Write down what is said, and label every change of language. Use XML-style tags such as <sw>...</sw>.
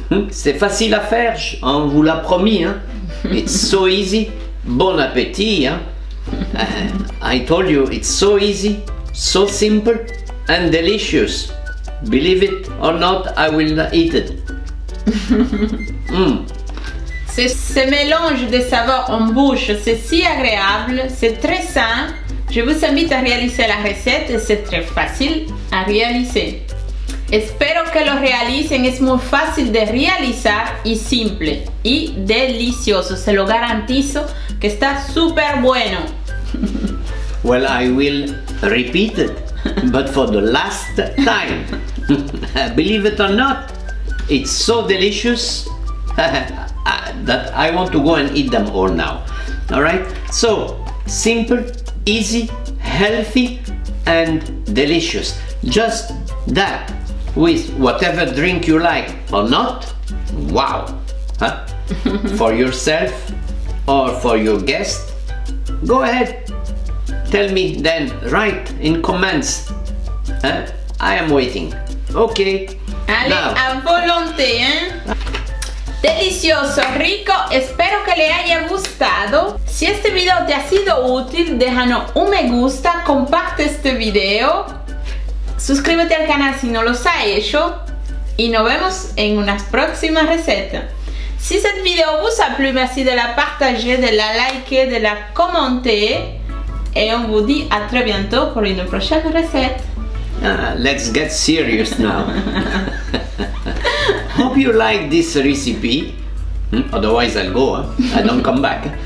<fr>C'est facile à faire, on vous l'a promis.</fr> <en>Hein? It's so easy. Bon appétit. Hein? I told you, it's so easy, so simple and delicious. Believe it or not, I will not eat it.</en> <fr>Ce mélange de saveurs en bouche, c'est si agréable, c'est très sain. Je vous invite à réaliser la recette, c'est très facile à réaliser.</fr> <es>Espero que lo realicen, es muy fácil de realizar y simple y delicioso. Se lo garantizo que está súper bueno.</es> <en>Well, I will repeat it, but for the last time. Believe it or not, it's so delicious that I want to go and eat them all now. All right? So, simple, easy, healthy, and delicious. Just that. With whatever drink you like or not, wow, huh? For yourself or for your guest, go ahead, tell me then, write in comments, I am waiting, okay.</en> <fr>Allez,</fr> <en>now.</en> <fr>À volonté, hein?</fr> <es>Delicioso, rico, espero que le haya gustado. Si este video te ha sido útil, déjanos un me gusta, comparte este video. Suscríbete al canal si no lo has hecho y nos vemos en una próxima receta. Si este video</es> <fr>vous a plu, merci de la partager, de la liker, de la commenter. Et on vous dit à très bientôt pour une prochaine recette.</fr> <en>Let's get serious now. Hope you like this recipe. Otherwise I'll go, I don't come back.</en>